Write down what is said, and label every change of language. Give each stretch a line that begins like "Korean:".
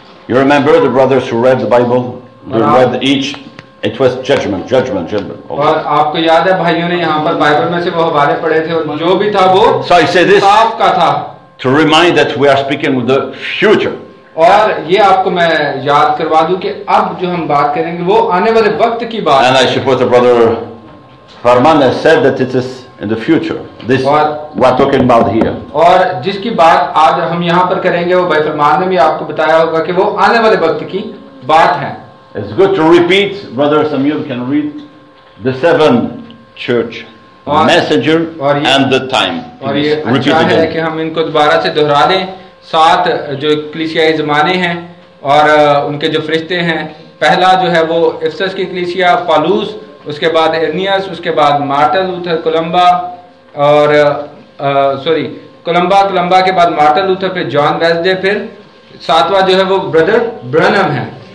English: You remember the brothers who read the Bible, they read each, it was judgement, judgement, judgement.
Hindi: और आपको याद है भाइयों ने यहां पर बाइबल में से वो हवाले पढ़े थे और जो भी था वो साफ का था।
English: To remind that we are speaking with the future.
Hindi: और ये आपको मैं याद करवा दूं कि अब जो हम बात करेंगे वो आने वाले वक्त की बात
English: है। And I suppose the brother Farman has said that it is in the future. This we are talking about here.
Hindi: और जिसकी बात आज हम यहाँ पर करेंगे वो भाई फरमान ने भी आपको बताया होगा कि वो आने वाले वक्त की बात है।
English: It's good to repeat, brother Samuel can read the seven church messenger and the time.
Hindi: और ये अच्छा है कि हम इनको दोबारा से दोहरा दें। सात जो कलीसियाई जमाने हैं और उनके जो फरिश्ते हैं, पहला जो है वो इफिसस की कलीसिया, पालूस, उसके बाद एर्नियस, उसके बाद मार्टिन लूथर, कोलंबा, और सॉरी कोलंबा, कोलंबा के बाद मार्टिन लूथर, फिर जॉन वेस्डे, फिर सातवां जो है वो ब्रदर ब्रैनम है।